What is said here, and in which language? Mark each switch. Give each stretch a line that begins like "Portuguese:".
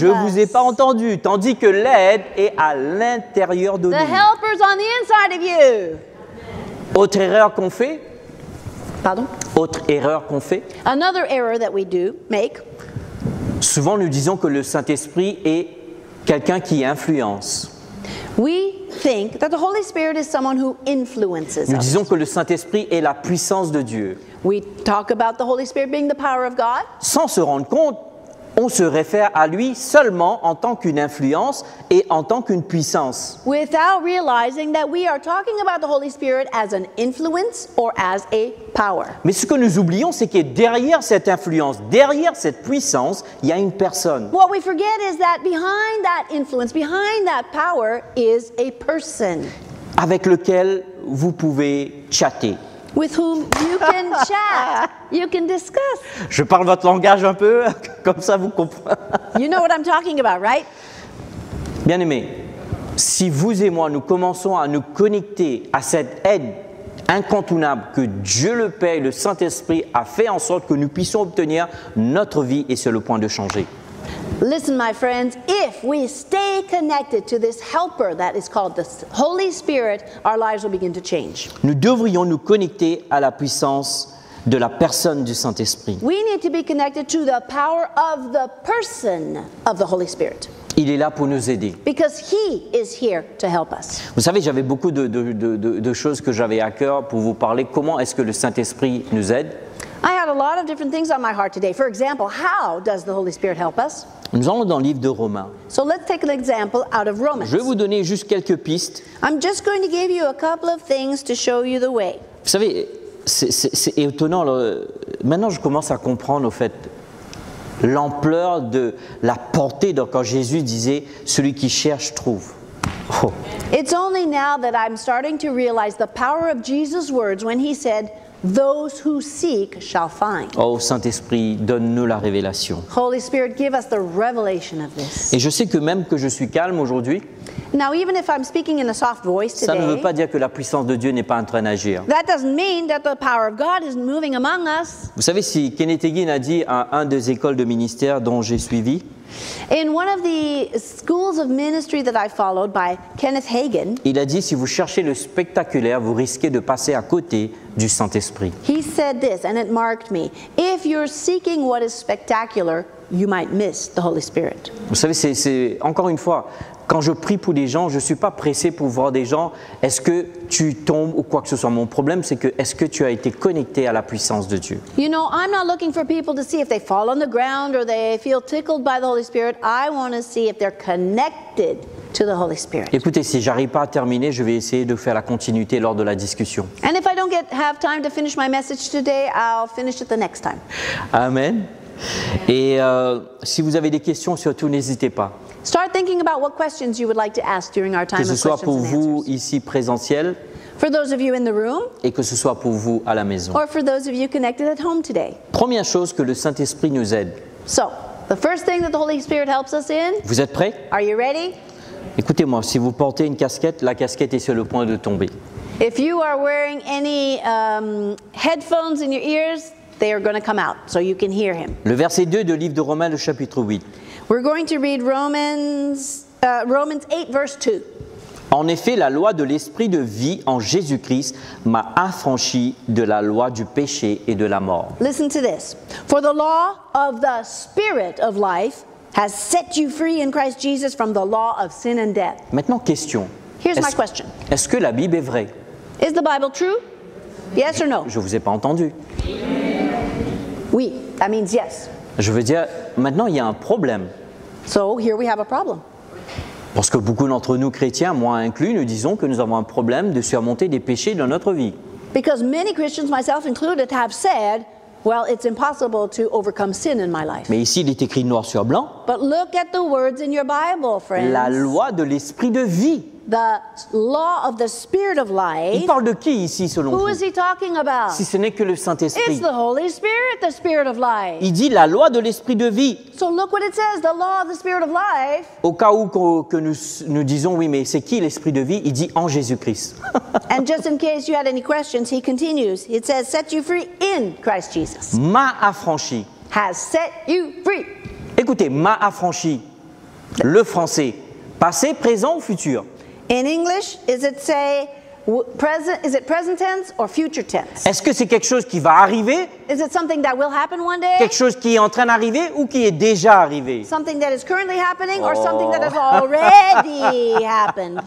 French: us. Je vous ai pas entendu. Tandis que l'aide est à l'intérieur de nous.
English: The helper is on the inside of you.
French: Autre erreur qu'on fait. Pardon? Autre erreur qu'on fait.
English: Another error that we do make.
French: Souvent, nous disons que le Saint-Esprit est quelqu'un qui influence.
English: We think that the Holy Spirit is someone who influences us.
French: Nous disons que le Saint-Esprit est la puissance de Dieu.
English: We talk about the Holy Spirit being the power of God.
French: Sans se rendre compte, on se réfère à lui seulement en tant qu'une influence et en tant qu'une puissance.
English: Without realizing that we are talking about the Holy Spirit as an influence or as a power.
French: Mais ce que nous oublions, c'est que derrière cette influence, derrière cette puissance, il y a une personne.
English: What we forget is that behind that influence, behind that power is a person.
French: Avec lequel vous pouvez chatter.
English: With whom you can chat, you can discuss.
French: Je parle votre langage un peu, comme ça vous comprenez.
English: You know what I'm talking about, right?
French: Bien-aimés, si vous et moi, nous commençons à nous connecter à cette aide incontournable que Dieu le Père et le Saint-Esprit a fait en sorte que nous puissions obtenir, notre vie est sur le point de changer.
English: Listen, my friends, if we stay connected to this helper that is called the Holy Spirit, our lives will begin to change.
French: Nous devrions nous connecter à la puissance de la personne du Saint-Esprit.
English: We need to be connected to the power of the person of the Holy Spirit.
French: Il est là pour nous aider.
English: Because he is here to help us.
French: Vous savez, j'avais beaucoup de choses que j'avais à cœur pour vous parler. Comment est-ce que le Saint-Esprit nous aide?
English: I had a lot of different things on my heart today. For example, how does the Holy Spirit help us?
French: Nous allons dans le livre de Romains.
English: So let's take an example out of Romans.
French: Je vais vous donner juste quelques pistes.
English: I'm just going to give you a couple of things to show you the way.
French: Vous savez, c'est étonnant. Maintenant, je commence à comprendre, au fait, l'ampleur de la portée de quand Jésus disait « Celui qui cherche, trouve ». Oh.
English: It's only now that I'm starting to realize the power of Jesus' words when he said « Those who seek shall find ».
French: Oh, Saint-Esprit, donne-nous la révélation.
English: Holy Spirit, give us the revelation of this.
French: Et je sais que même que je suis calme aujourd'hui,
English: now, even if I'm speaking in a soft voice today,
French: ça ne veut pas dire que la puissance de Dieu n'est pas en train d'agir.
English: That doesn't mean that the power of God isn't moving among us.
French: Vous savez, si Kenneth Hagin a dit à un des écoles de ministère dont j'ai suivi,
English: in one of the schools of ministry that I followed by Kenneth Hagin,
French: il a dit, si vous cherchez le spectaculaire, vous risquez de passer à côté du Saint-Esprit.
English: He said this, and it marked me. If you're seeking what is spectacular, you might miss the Holy Spirit.
French: Vous savez, c'est encore une fois, quand je prie pour des gens, je ne suis pas pressé pour voir des gens. Est-ce que tu tombes ou quoi que ce soit? Mon problème, c'est que est-ce que tu as été connecté à la puissance de Dieu?
English: You know, I'm not looking for people to see if they fall on the ground or they feel tickled by the Holy Spirit. I want to see if they're connected to the Holy Spirit.
French: Écoutez, si j'arrive pas à terminer, je vais essayer de faire la continuité lors de la discussion.
English: And if I don't get have time to finish my message today, I'll finish it the next time. Amen.
French: Et si vous avez des questions, surtout n'hésitez pas.
English: Start thinking about what questions you would like to ask during our time of questions and answers.
French: Que ce soit pour vous ici présentiel,
English: for those of you in the room,
French: et que ce soit pour vous à la maison,
English: or for those of you connected at home today.
French: Première chose que le Saint-Esprit nous aide.
English: So, the first thing that the Holy Spirit helps us in.
French: Vous êtes prêts?
English: Are you ready?
French: Écoutez-moi, si vous portez une casquette, la casquette est sur le point de tomber.
English: If you are wearing any headphones in your ears, they are going to come out, so you can hear him.
French: Le verset 2 de livre de Romains, le chapitre 8.
English: We're going to read Romans 8, verse 2.
French: En effet, la loi de l'esprit de vie en Jésus-Christ m'a affranchi de la loi du péché et de la mort.
English: Listen to this. For the law of the spirit of life has set you free in Christ Jesus from the law of sin and death.
French: Maintenant, question.
English: Here's my question.
French: Est-ce que la Bible est vraie?
English: Is the Bible true? Yes or no?
French: Je ne vous ai pas entendu.
English: Oui, that means yes.
French: Je veux dire, maintenant il y a un problème.
English: So, here we have a problem.
French: Parce que beaucoup d'entre nous chrétiens, moi inclus, nous disons que nous avons un problème de surmonter des péchés dans notre vie.
English: Because many Christians, myself included, have said, well, it's impossible to overcome sin in my life.
French: Mais ici, il est écrit noir sur blanc.
English: But look at the words in your Bible, friends.
French: La loi de l'esprit de vie.
English: The law of the spirit of life.
French: Il parle de qui ici, selon
English: who
French: vous?
English: Is he talking about?
French: Si ce n'est que le Saint-Esprit.
English: It's the Holy Spirit, the spirit of life.
French: Il dit la loi de l'esprit de vie.
English: So look what it says, the law of the spirit of life.
French: Au cas où que nous disons oui, mais c'est qui l'esprit de vie? Il dit en Jésus-Christ.
English: And just in case you had any questions, he continues. It says, set you free in Christ Jesus.
French: M'a affranchi.
English: Has set you free.
French: Écoutez, m'a affranchi. Le français, passé, présent ou futur?
English: In English, is it say present? Is it present tense or future tense?
French: Est-ce que c'est quelque chose qui va arriver?
English: Is it something that will happen one day?
French: Quelque chose qui est en train d'arriver ou qui est déjà arrivé?
English: Something that is currently happening or something that has already happened?